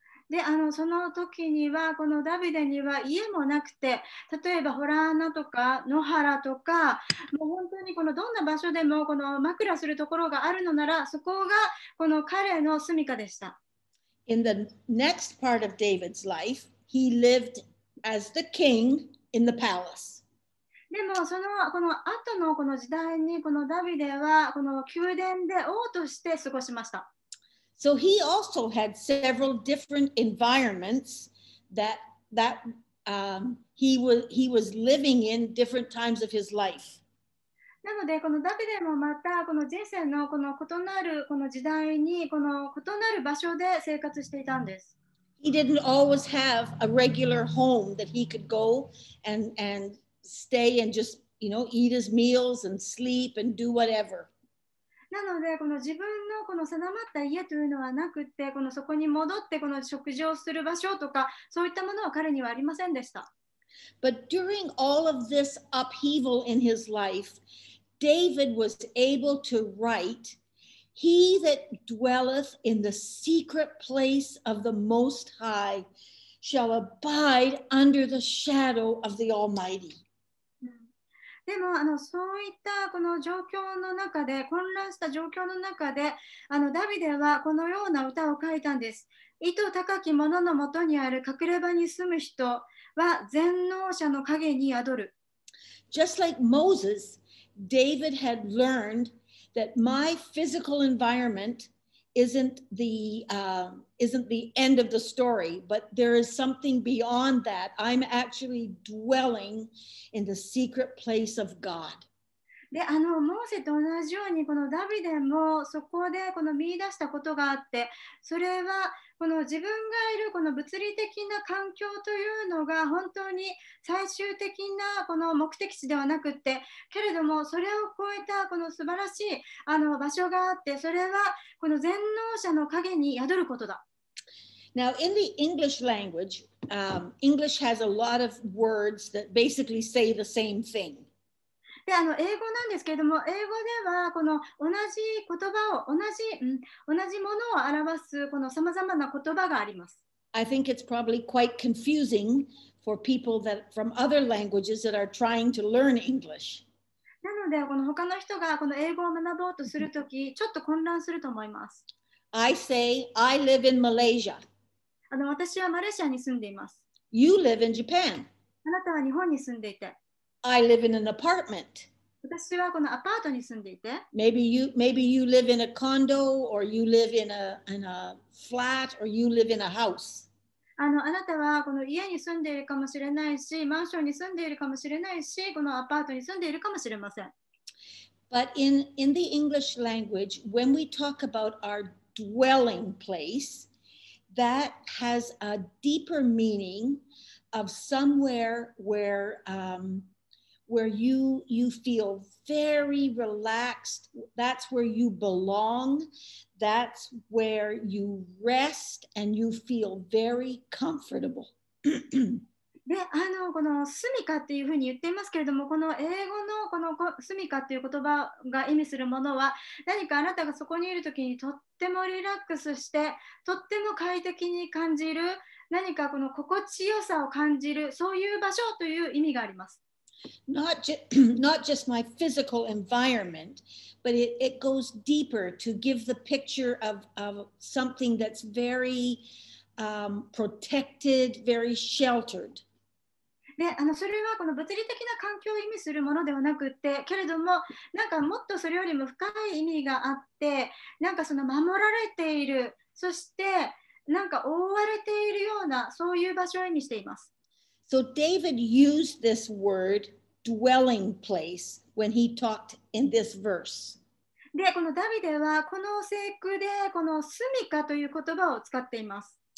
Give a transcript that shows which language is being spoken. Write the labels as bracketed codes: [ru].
[ja] で、あのその時にはこのダビデには家もなくて、例えばホラーナとか野原とか、もう本当にこのどんな場所でもこの枕するところがあるのなら、そこがこの彼の住処でした。 [en] In the next part of David's life, he lived as the king in the palace. [ja] でもそのこの後のこの時代にこのダビデはこの宮殿で王として過ごしました。 [en] So he also had several different environments that he was living in different times of his life. [ja] なのでこのダビデもまたこの人生のこの異なるこの時代にこの異なる場所で生活していたんです。 [en] He didn't always have a regular home that he could go and stay and just, you know, eat his meals and sleep and do whatever. [ja] なのでこの自分のこの定まった家というのはなくて、このそこに戻ってこの食事をする場所とか、そういったものは彼にはありませんでした。 [en] But during all of this upheaval in his life, David was able to write, He that dwelleth in the secret place of the Most High shall abide under the shadow of the Almighty. [ja] でもそういったこの状況の中で混乱した状況の中でダビデはこのような歌を書いたんです。意図高き者のもとにある隠れ場に住む人は全能者の影に宿る。 [en] Just like Moses, David had learned that my physical environmentisn't the end of the story, but there is something beyond that. I'm actually dwelling in the secret place of God. [ja] で、モーセと同じように、このダビデもそこでこの見出したことがあって、それはこの自分がいるこの物理的な環境というのが本当に最終的なこの目的地ではなくって、けれどもそれを超えたこの素晴らしい場所があって、それはこの全能者の影に宿ることだ。 [en] Now, in the English language, English has a lot of words that basically say the same thing. [ja] で英語なんですけれども、英語ではこの同じ言葉を同じものを表すこの様々な言葉があります。 [en] I think it's probably quite confusing for people that from other languages that are trying to learn English. [ja] なのでこの他の人がこの英語を学ぼうとするとき、ちょっと混乱すると思います。 [en] I say I live in Malaysia. [ja] 私はマレーシアに住んでいます。 [en] You live in Japan. [ja] あなたは日本に住んでいて。 [en] I live in an apartment. [ja] 私はこのアパートに住んでいて。 [en] Maybe you live in a condo, or you live in a flat, or you live in a house. [ja] あなたはこの家に住んでいるかもしれないし、マンションに住んでいるかもしれないし、このアパートに住んでいるかもしれません。 [en] But in the English language, when we talk about our dwelling place, that has a deeper meaning of somewhere where you feel very relaxed. That's where you belong. That's where you rest and you feel very comfortable. [ja] で、この住処っていうふうに言っていますけれども、この英語のこの住処っていう言葉が意味するものは、何かあなたがそこにいるときにとってもリラックスして、とっても快適に感じる、何かこの心地よさを感じる、そういう場所という意味があります。 [en] Not just my physical environment, but it goes deeper to give the picture of something that's very protected, very sheltered. [ja] で、それはこの物理的な環境を意味するものではなくて、けれども、なんかもっとそれよりも深い意味があって、なんかその守られている、そしてなんか覆われているような、そういう場所を意味しています。 [en] So David used this word, dwelling place, when he talked in this verse. [ja] で、このダビデはこの聖句でこの住処という言葉を使っています。